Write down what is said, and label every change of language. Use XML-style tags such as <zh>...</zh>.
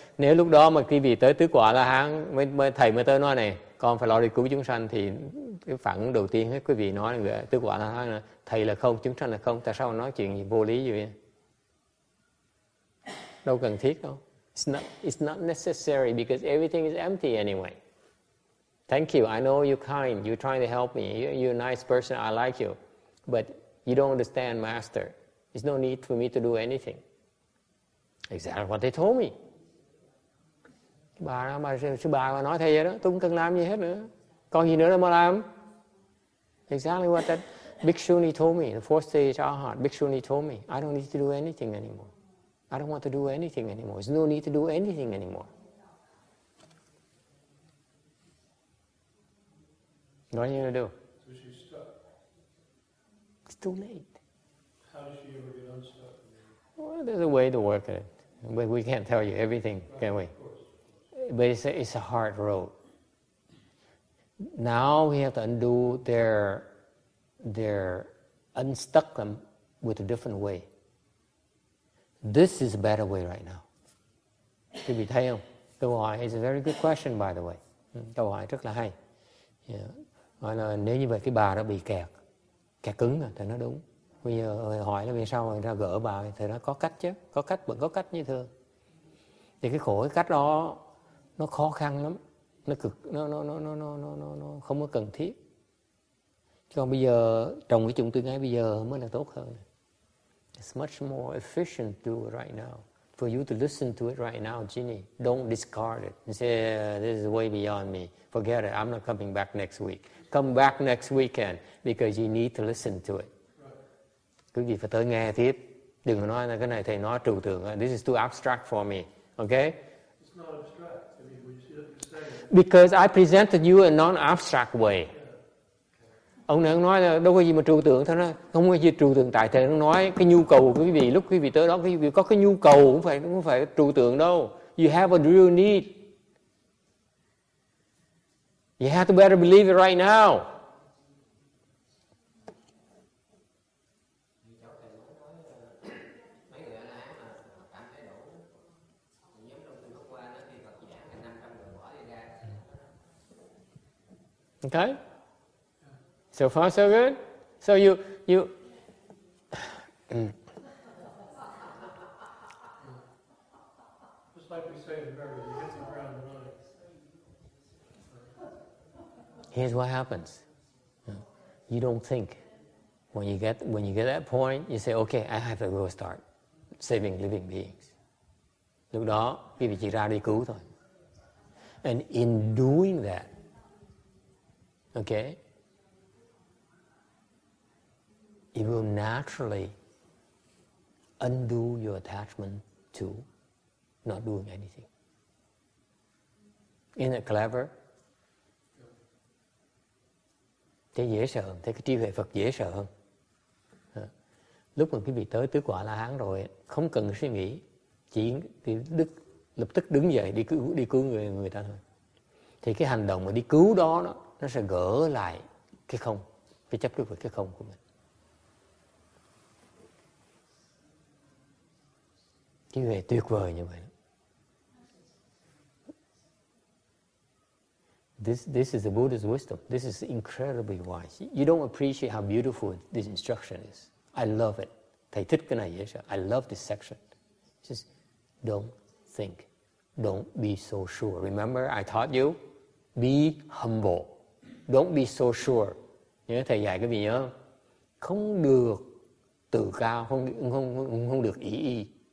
<vi>Nếu lúc đó mà quý vị tới tứ quả La-hán, thầy mới tới nói này, con phải lo đi cứu chúng sanh, thì cái phản ứng đầu tiên quý vị nói là tứ quả La-hán là thầy là không, chúng sanh là không, tại sao nói chuyện gì vô lý gì vậy? Đâu cần thiết đâu.</vi> <en>It's not necessary because everything is empty anyway. Thank you, I know you're kind, you're trying to help me, you're a nice person, I like you. But you don't understand, Master. There's no need for me to do anything. Exactly what they told me.</en> <vi>Bà đó, bà nói thầy vậy đó, tôi không cần làm gì hết nữa. Còn gì nữa là mà làm?</vi> <en>Exactly what that Bhikshuni told me, the fourth stage Arhat, Bhikshuni told me, I don't need to do anything anymore. I don't want to do anything anymore. There's no need to do anything anymore. What are you going to do? So she's stuck. It's too late. How does she ever get unstuck? Well, there's a way to work it. But we can't tell you everything, can we? But it's a hard road. Now we have to undo their unstuck them with a different way. This is a better way right now.</en> <vi>Quý vị thấy không? Câu hỏi</vi> <en>is a very good question, by the way.</en> <vi>Câu hỏi rất là hay. Nói là nếu như vậy cái bà đó bị kẹt cứng rồi, thì nó đúng. Bây giờ hỏi là vì sao người ta gỡ bà, thì nó có cách chứ, có cách, vẫn có cách như thường. Thì cái khổ, cái cách đó nó khó khăn lắm, nó cực, nó không có cần thiết. Chứ còn bây giờ trồng cái chủng tư ngay bây giờ mới là tốt hơn.</vi> <en>It's much more efficient to do it right now. For you to listen to it right now, Ginny, don't discard it. You say, this is way beyond me. Forget it, I'm not coming back next week. Come back next weekend, because you need to listen to it.</en> <vi>Cứ gì phải tới nghe tiếp. Đừng có nói là cái này thầy nói trừu tượng.</vi> <en>This is too abstract for me. Okay? It's not abstract. I mean, we see what you're saying. Because I presented you a non-abstract way. Yeah.</en> <vi>Ông này ông nói là đâu có gì mà trừu tượng. Thôi nó không có gì trừu tượng. Tại thầy ông nói cái nhu cầu của quý vị. Lúc quý vị tới đó, quý vị có cái nhu cầu cũng phải trừu tượng đâu.</vi> <en>You have a real need. You have to better believe it right now. Okay? So far so good? So you just like we say in the mirror, you hit the ground running. Here's what happens. You don't think. When you get that point, you say, okay, I have to go start saving living beings.</en> <vi>Lúc đó, quý vị chỉ ra đi cứu thôi.</vi> <en>And in doing that, okay, it will naturally undo your attachment to not doing anything. Isn't it clever?</en> <vi>Thế dễ sợ, thế cái trí huệ Phật dễ sợ. Lúc mà quý vị tới tứ quả La Hán rồi, không cần suy nghĩ, chỉ lập tức đứng dậy đi cứu người ta thôi. Thì cái hành động mà đi cứu đó đó, nó sẽ gỡ lại cái không, cái chấp trước về cái không của mình. Cái về tuyệt vời như vậy.</vi> <en>This is the Buddha's wisdom. This is incredibly wise. You don't appreciate how beautiful this instruction is. I love it.</en> <vi>Thầy thích cái này,</vi> <en>I love this section. It's just don't think. Don't be so sure. Remember, I taught you, be humble. Don't be so sure.</en> <vi>Nhớ thầy dạy cái gì nhớ? Không được tự cao, không được ý.</vi>